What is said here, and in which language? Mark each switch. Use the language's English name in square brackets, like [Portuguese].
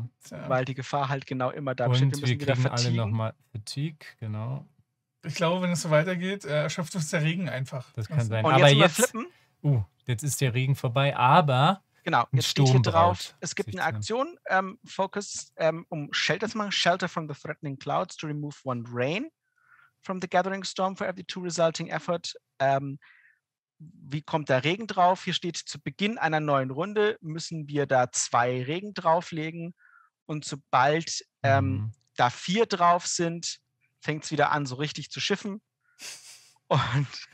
[German] Weil die Gefahr halt genau immer da besteht. Und wir kriegen alle nochmal Fatigue, genau. Ich glaube, wenn es so weitergeht, erschöpft uns der Regen einfach. Das kann sein. Und aber jetzt flippen. Jetzt ist der Regen vorbei, aber genau, ein jetzt Sturm steht hier drauf. Braut. Es gibt eine Aktion, Focus, um Shelter zu machen. [English] Shelter from the threatening clouds to remove one rain from the gathering storm for every 2 resulting effort. [German] Wie kommt der Regen drauf? Hier steht, zu Beginn einer neuen Runde müssen wir da 2 Regen drauflegen und sobald da 4 drauf sind, fängt es wieder an, so richtig zu schiffen. Und